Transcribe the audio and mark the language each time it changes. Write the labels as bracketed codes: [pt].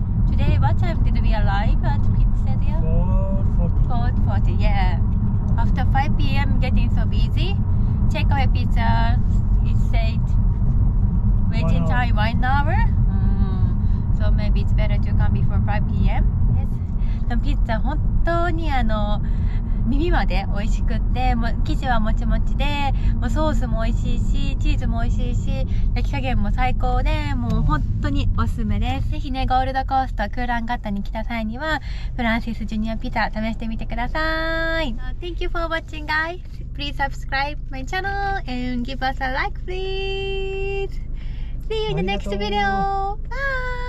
[en] Today what time did we arrive at pizzeria? 4:40. Yeah. After 5 p.m. getting so busy. Check our pizza. It said waiting time 1 hour. So maybe it's better to come before 5 p.m. Yes. The pizza [ja] 本当に耳まで美味しくって、もう生地はもちもちで、もうソースも美味しいし、チーズも美味しいし、焼き加減も最高で、もう本当におすすめです。ぜひね、ゴールドコーストクーランガッタに来た際には、フランシスジュニアピザ試してみてください。 [en] Thank you for watching, guys. Please subscribe my channel and give us a like, please. See you in the next video. Bye!